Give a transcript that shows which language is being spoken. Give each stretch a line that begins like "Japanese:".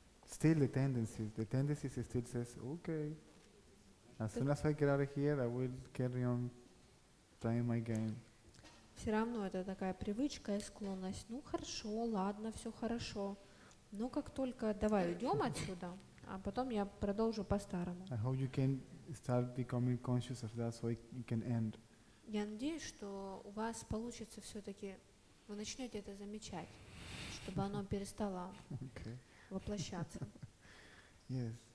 English: Still the tendencies. The tendencies still says, okay. As soon as I get out of here, I will carry on playing my game.
Russian: Все равно это такая привычка и склонность. Ну хорошо, ладно, все хорошо. Но как только давай уйдем отсюда. А потом я продолжу по-старому.
English: I hope you can start becoming conscious of that, so it can end.
Russian: Я надеюсь, что у вас получится все-таки, вы начнете это замечать, чтобы оно перестало воплощаться.
English: Yes.